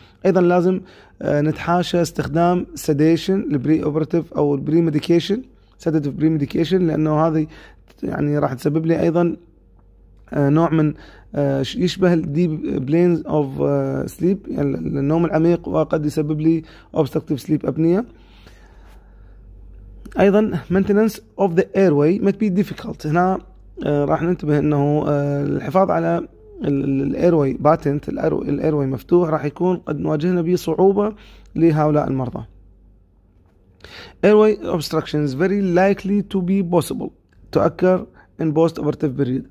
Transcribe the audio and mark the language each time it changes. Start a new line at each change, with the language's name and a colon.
Arabic: أيضا لازم نتحاشى استخدام سيديشن البري أوبرتيف أو البري ميديكيشن سيديتيف بري ميديكيشن لأنه هذه يعني راح تسبب لي أيضا نوع من يشبه الديب بلينز اوف سليب يعني النوم العميق وقد يسبب لي obstructive sleep apnea.
English: ايضا maintenance of the airway might be difficult.
Arabic: هنا راح ننتبه انه الحفاظ على الايرواي باتنت الايرواي مفتوح راح يكون قد نواجهنا به صعوبة لهؤلاء المرضى.
English: airway obstructions very likely to be possible to occur in post operative period.